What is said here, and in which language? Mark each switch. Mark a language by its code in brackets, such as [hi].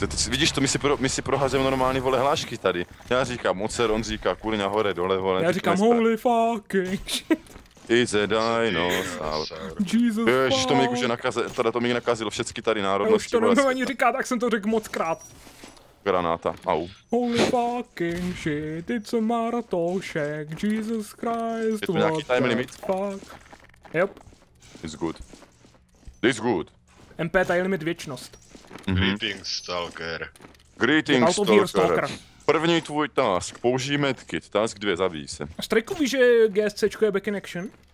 [cs] Vidíš to, my si proházíme normální, vole, hlášky tady. Já říkám ocer, on říká kurňa hore, dole, vole. Já říkám [en] holy fucking it's a dinosaur. Jesus fuck. [cs] Ježiš, to mi už je nakazilo, teda to mi nakazilo všecky tady národnosti. Já už to nemám ani říkat, tak jsem to řekl moc krát. Granáta, au. [en] Holy fucking shit, it's a maratošek, Jesus Christ, what the fuck. [cs] Je to nějaký time limit? [en] Yep. It's good. It's good. [cs] MP time limit věčnost. [en] Mm-hmm. Greetings, stalker. Greetings, stalker. [cs] První tvůj task, použij medkit, task 2, zabij se. Strajku, víš, že GSCčko je [en] back in action?